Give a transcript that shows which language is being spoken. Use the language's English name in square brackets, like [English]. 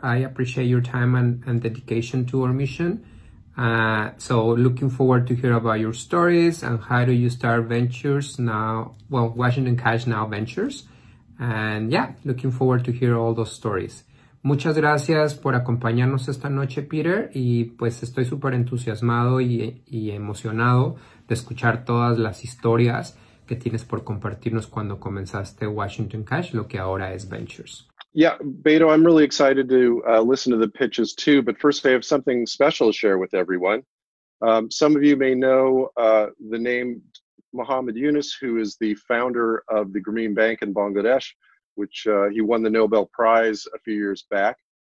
[English] I appreciate your time and dedication to our mission. So looking forward to hear about your stories and how do you start Ventures Now, well, Washington Cash Now Ventures. And yeah, looking forward to hear all those stories. [Spanish] Muchas gracias por acompañarnos esta noche, Peter. Y pues estoy súper entusiasmado y emocionado de escuchar todas las historias que tienes por compartirnos cuando comenzaste Washington Cash, lo que ahora es Ventures. [English] Yeah, Beto, I'm really excited to listen to the pitches too, but first I have something special to share with everyone. Some of you may know the name Muhammad Yunus, who is the founder of the Grameen Bank in Bangladesh, which he won the Nobel Prize a few years back.